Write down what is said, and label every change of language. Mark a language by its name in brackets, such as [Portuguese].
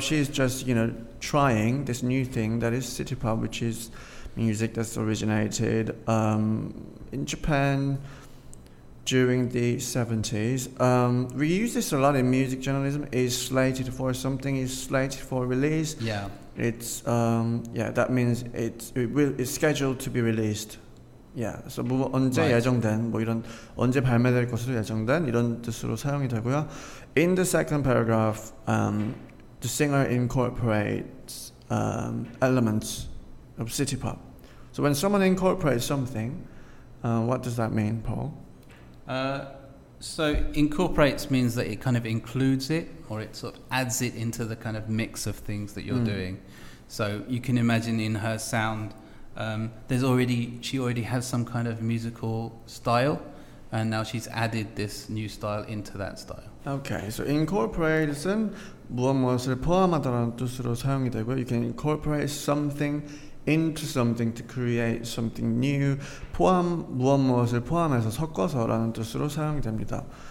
[English] She's just trying this new thing that is city pop, which is music that's originated in Japan during the 70s. We use this a lot in music journalism. Is slated for something, is slated for release. Yeah. It's that means it's scheduled to be released. Yeah. So [Korean] 뭐 언제 [English] right. [Korean] 예정된 뭐 이런 언제 발매될 것으로 예정된 이런 뜻으로 사용이 되고요. [English] In the second paragraph, the singer incorporates elements of city pop. So when someone incorporates something, what does that mean, Paul? So incorporates means that it kind of includes it, or it sort of adds it into the kind of mix of things that you're doing. So you can imagine in her sound, she already has some kind of musical style, and now she's added this new style into that style. [Korean] Okay, so incorporates은 무언 무엇을 포함하다라는 뜻으로 사용이 되고요. [English] You can incorporate something into something to create something new. [Korean] 포함 무언 무엇을 포함해서 섞어서라는 뜻으로 사용이 됩니다.